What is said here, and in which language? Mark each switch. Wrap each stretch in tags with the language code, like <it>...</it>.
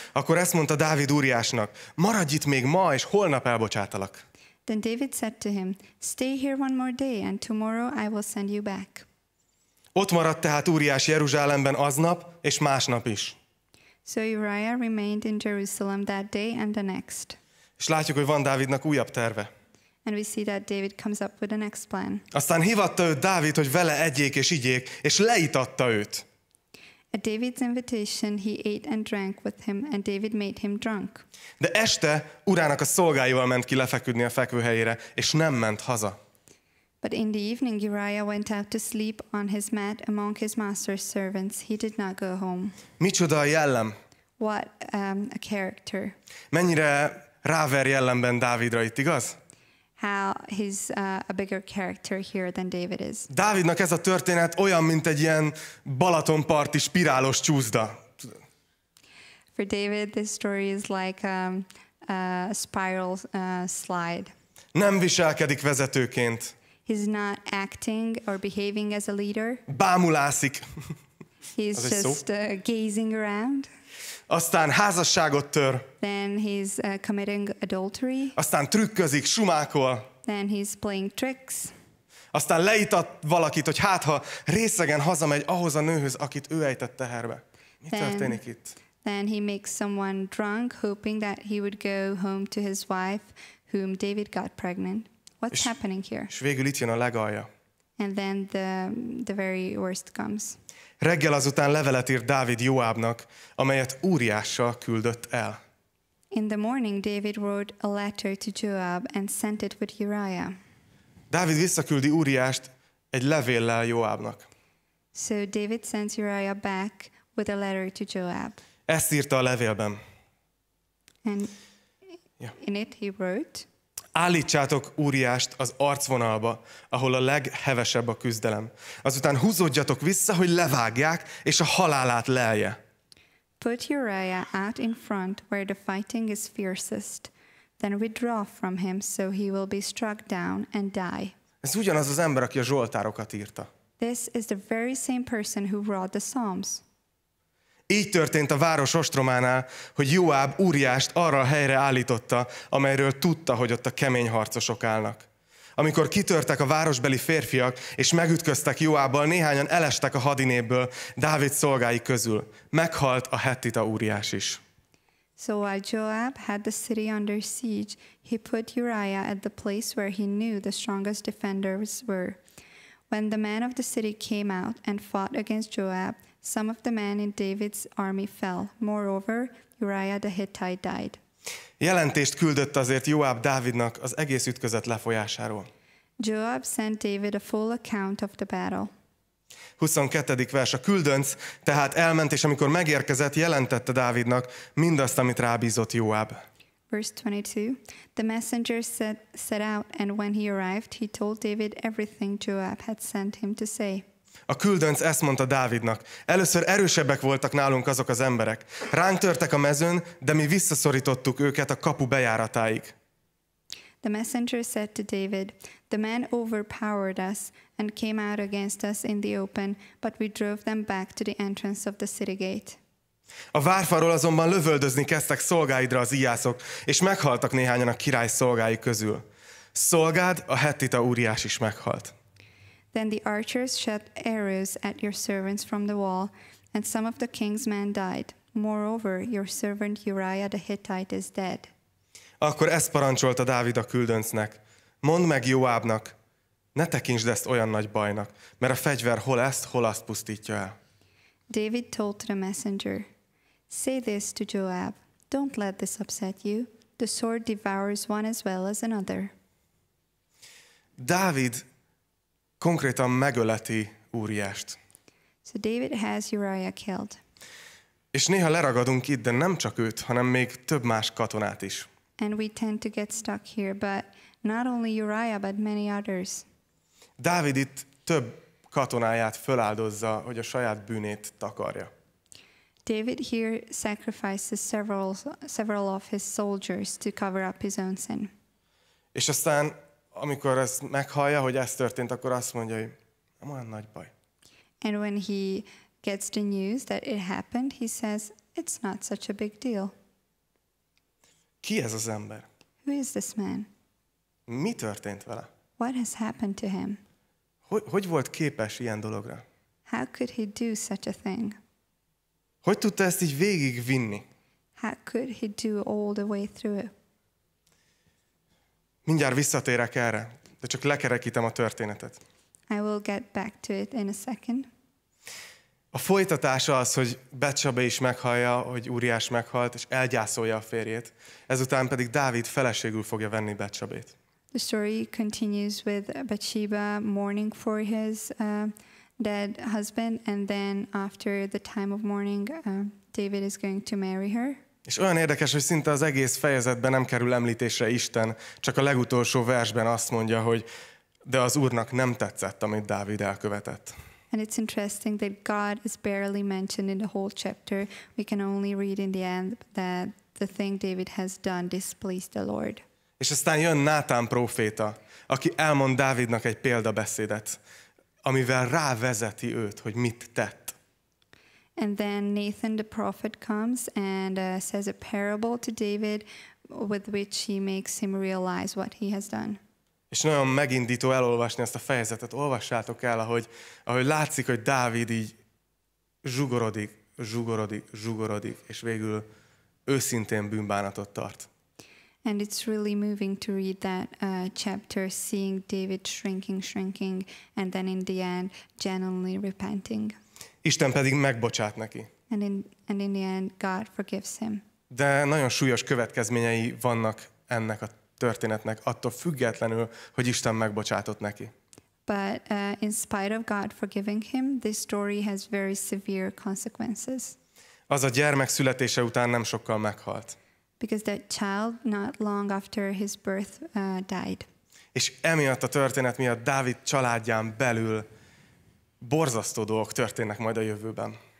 <hu>Akkor ezt mondta Dávid Úriásnak, maradj itt még ma, és holnap elbocsátalak.</hu> <en>Then David said to him, stay here one more day, and tomorrow I will send you back.</en> <hu>Ott maradt tehát Úriás Jeruzsálemben aznap és másnap is.</hu> <en>So Uriah remained in Jerusalem that day and the next.</en> <hu>És látjuk, hogy van Dávidnak újabb terve.</hu> <en>And we see that David comes up with the next plan.</en> <hu>Aztán hívatta őt Dávid, hogy vele egyék és igyék, és leitatta őt.</hu> <en>At David's invitation, he ate and drank with him, and David made him drunk.</en> <hu>De este urának a szolgáival ment ki lefeküdni a fekvőhelyére, és nem ment haza.</hu> <en>But in the evening Uriah went out to sleep on his mat among his master's servants. He did not go home.</en> <hu>Micsoda a jellem?</hu> <en>What a character.</en> <hu>Mennyire ráver jellemben Dávidra itt, igaz?</hu> <en>How he's a bigger character here than David is.</en> <hu>Dávidnak ez a történet olyan, mint egy ilyen Balatonparti spirálos csúszda.</hu> <en>For David this story is like a spiral slide.</en> <hu>Nem viselkedik vezetőként.</hu> <en>He's not acting or behaving as a leader.</en> <hu>Bámulászik.</hu> <en>He's just gazing around.</en> <hu>Aztán házasságot tör.</hu> <en>Then he's committing adultery.</en> <hu>Aztán trükközik, sumákol.</hu> <en>Then he's playing tricks.</en> <hu>Aztán leítat valakit, hogy hát ha részegen hazamegy ahhoz a nőhöz, akit ő ejtett teherbe. Mi történik itt?</hu> <en>Then he makes someone drunk, hoping that he would go home to his wife, whom David got pregnant. What's happening here?</en> <hu>És végül itt jön a legalja.</hu> <en>And then the very worst comes.</en> <hu>Reggel azután levelet írt Dávid Jóábnak, amelyet Úriással küldött el.</hu> <en>In the morning, David wrote a letter to Joab and sent it with Uriah.</en> <hu>Dávid visszaküldi Úriást egy levéllel Jóábnak.</hu> <en>So David sends Uriah back with a letter to Joab.</en> <hu>Ezt írta a levélben.</hu> <en>And in it he wrote.</en> <hu>Állítsátok Úriást az arcvonalba, ahol a leghevesebb a küzdelem. Azután húzódjatok vissza, hogy levágják, és a halálát lelje.</hu> <en>Put Uriah out in front where the fighting is fiercest. Then withdraw from him, so he will be struck down and die.</en> <hu>Ez ugyanaz az ember, aki a zsoltárokat írta.</hu> <en>This is the very same person who wrote the Psalms.</en> <hu>Így történt a város ostrománál, hogy Joab Úriást arra a helyre állította, amelyről tudta, hogy ott a kemény harcosok állnak. Amikor kitörtek a városbeli férfiak, és megütköztek Joabbal, néhányan elestek a hadinépből, Dávid szolgái közül. Meghalt a hettita Úriás is.</hu> <en>So while Joab had the city under siege, he put Uriah at the place where he knew the strongest defenders were. When the men of the city came out and fought against Joab, some of the men in David's army fell. Moreover, Uriah the Hittite died.</en> <hu>Jelentést küldött azért Joab Dávidnak az egész ütközet lefolyásáról.</hu> <en>Joab sent David a full account of the battle.</en> <hu>22. vers. A küldönc tehát elment, és amikor megérkezett, jelentette Dávidnak mindazt, amit rábízott Joab.</hu> <en>Verse 22. The messenger set out, and when he arrived, he told David everything Joab had sent him to say.</en> <hu>A küldönc ezt mondta Dávidnak. Először erősebbek voltak nálunk azok az emberek. Ránk törtek a mezőn, de mi visszaszorítottuk őket a kapu bejáratáig.</hu> <en>The messenger said to David, the men overpowered us and came out against us in the open, but we drove them back to the entrance of the city gate.</en> <hu>A várfalról azonban lövöldözni kezdtek szolgáidra az íjászok, és meghaltak néhányan a király szolgái közül. Szolgád, a hettita Úriás is meghalt.</hu> <en>Then the archers shot arrows at your servants from the wall, and some of the king's men died. Moreover, your servant Uriah the Hittite is dead.</en> <hu>Akkor ezt parancsolta Dávid a küldöncnek. Mondd meg Joabnak, ne tekintsd ezt olyan nagy bajnak, mert a fegyver hol ezt, hol azt pusztítja el.</hu> <en>David told to the messenger, say this to Joab, don't let this upset you. The sword devours one as well as another.</en> <hu>Dávid konkrétan megöleti Úriást.</hu> <en>So David has Uriah killed.</en> <hu>És néha leragadunk itt, de nem csak őt, hanem még több más katonát is.</hu> <en>And we tend to get stuck here, but not only Uriah, but many others.</en> <hu>Dávid itt több katonáját föláldozza, hogy a saját bűnét takarja.</hu> <en>David here sacrifices several of his soldiers to cover up his own sin.</en> <hu>És aztán, amikor ezt meghallja, hogy ez történt, akkor azt mondja, hogy nem olyan nagy baj.</hu> <en>And when he gets the news that it happened, he says, it's not such a big deal.</en> <hu>Ki ez az ember?</hu> <en>Who is this man?</en> <hu>Mi történt vele?</hu> <en>What has happened to him?</en> <hu>Hogy volt képes ilyen dologra?</hu> <en>How could he do such a thing?</en> <hu>Hogy tudta ezt így végigvinni?</hu> <en>How could he do all the way through it?</en> <hu>Mindjárt visszatérek erre, de csak lekerekítem a történetet.</hu> <en>I will get back to it in a second.</en> <hu>A folytatása az, hogy Bathsabé is meghallja, hogy Úriás meghalt, és elgyászolja a férjét. Ezután pedig Dávid feleségül fogja venni Bathsabét.</hu> <en>The story continues with Bathsheba mourning for his dead husband, and then after the time of mourning, David is going to marry her.</en> <hu>És olyan érdekes, hogy szinte az egész fejezetben nem kerül említésre Isten, csak a legutolsó versben azt mondja, hogy de az Úrnak nem tetszett, amit Dávid elkövetett.</hu> <en>And it's interesting that God is barely mentioned in the whole chapter. We can only read in the end that the thing David has done displeased the Lord.</en> <hu>És aztán jön Nátán próféta, aki elmond Dávidnak egy példabeszédet, amivel rávezeti őt, hogy mit tett.</hu> <en>And then Nathan the prophet comes and says a parable to David with which he makes him realize what he has done.</en> <hu>És nagyon megindító elolvasni ezt a fejezetet. Olvassátok el, ahogy látszik, hogy Dávid így zsugorodik, és végül őszintén bűnbánatot tart.</hu> <en>And it's really moving to read that chapter, seeing David shrinking, and then in the end, genuinely repenting.</en> <hu>Isten pedig megbocsát neki.</hu> <en>And in the end, God forgives him.</en> <hu>De nagyon súlyos következményei vannak ennek a történetnek, attól függetlenül, hogy Isten megbocsátott neki.</hu> <en>But in spite of God forgiving him, this story has very severe consequences.</en> <hu>Az a gyermek születése után nem sokkal meghalt.</hu> <en>Because that child, not long after his birth, died.</en> <hu>És emiatt a történet miatt Dávid családján belül borzasztó dolgok történnek majd a jövőben.</hu>